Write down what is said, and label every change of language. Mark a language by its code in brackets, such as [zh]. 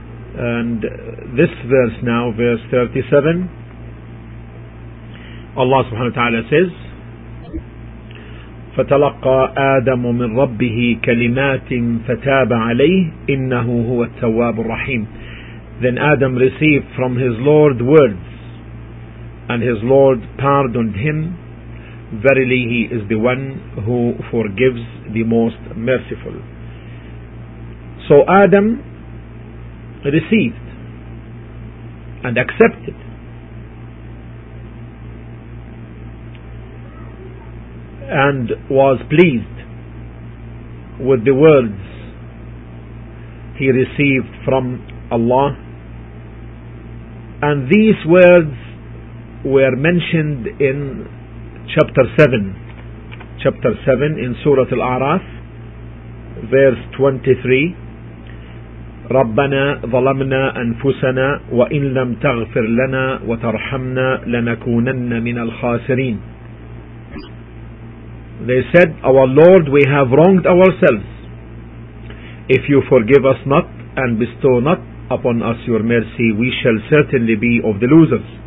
[en] And this verse now, verse 37, Allah subhanahu wa ta'ala says, [ar] فَتَلَقَّى آدَمُ مِنْ رَبِّهِ كَلِمَاتٍ فَتَابَ عَلَيْهِ إِنَّهُ هُوَ التَّوَّابُ الرَّحِيمُ. [en] Then Adam received from his Lord words, and his Lord pardoned him. Verily he is the one who forgives the most merciful. So Adam received and accepted and was pleased with the words he received from Allah, and these words were mentioned in chapter 7 in Surah Al-A'raf, verse 23. [ar] ربنا ظلمنا أنفسنا وإن لم تغفر لنا وترحمنا لنكونن من الخاسرين. [en] They said, our Lord, we have wronged ourselves. If you forgive us not and bestow not upon us your mercy, we shall certainly be of the losers.